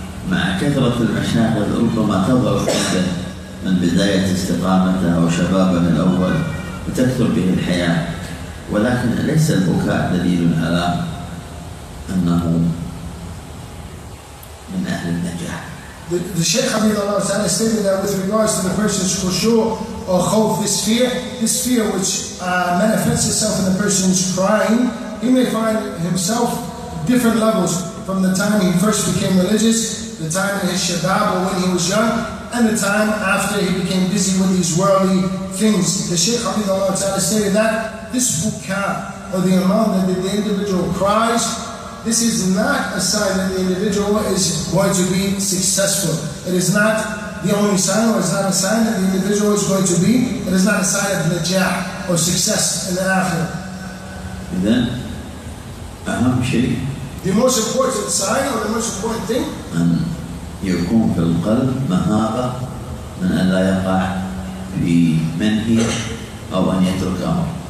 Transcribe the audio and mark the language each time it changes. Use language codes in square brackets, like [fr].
[ar] مع كثرة المشاكل ربما تضعف عنده من بداية استقامته أو شبابه من الأول وتكثر به الحياة ولكن ليس البكاء دليل على أنه من أهل النجاح. [en] The Shaykh Hafidhullah Ta'ala stated that with regards to the person's khushu or khawf, this fear which manifests itself in the person's crying, he may find himself different levels from the time he first became religious, the time in his shabab or when he was young, and the time after he became busy with these worldly things. The Shaykh Hafidhullah Ta'ala stated that this buka, or the amount that the individual cries, this is not a sign that the individual is going to be successful. It is not the only sign, or it's not a sign that the individual is going to be. It is not a sign of najah, or success in the akhir. And then, [ar] aham shay. [en] The most important sign or the most important thing? [ar] أن يكون في القلب مهابة من أن لا يقع في منهي أو أن يترك أمر.